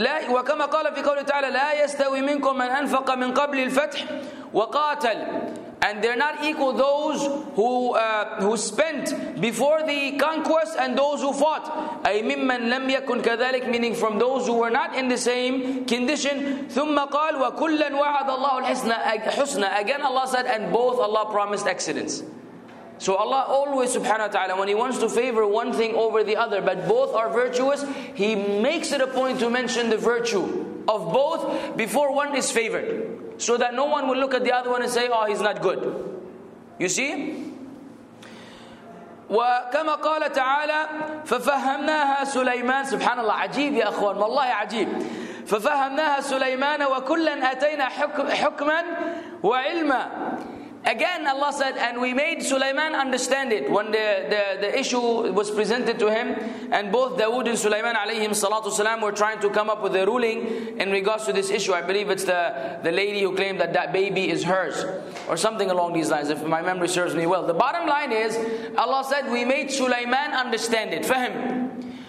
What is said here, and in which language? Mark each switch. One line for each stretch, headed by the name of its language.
Arabic: وكما قال في قوله تعالى لا يستوي منكم من أنفق من قبل الفتح وقاتل.
English: And they're not equal, those who spent before the conquest and those who fought.
Arabic: أي ممن لم يكن كذلك,
English: meaning from those who were not in the same condition.
Arabic: ثم قال وكلا وعد الله الحسنى.
English: Again Allah said, and both Allah promised excellence. So Allah always, subhanahu wa ta'ala, when He wants to favor one thing over the other, but both are virtuous, He makes it a point to mention the virtue of both before one is favored, so that no one will look at the other one and say, oh, he's not good. You see?
Arabic: وكما قال تعالى ففهمناها سليمان. سبحان الله, عجيب يا أخوان, والله عجيب. ففهمناها سليمان وكلا أتينا حكما وعلما.
English: Again, Allah said, and we made Sulaiman understand it when the issue was presented to him, and both Dawood and Sulaiman alayhim salatu salam were trying to come up with a ruling in regards to this issue. I believe it's the lady who claimed that that baby is hers, or something along these lines, if my memory serves me well. The bottom line is, Allah said, we made Sulaiman understand it. Fahim.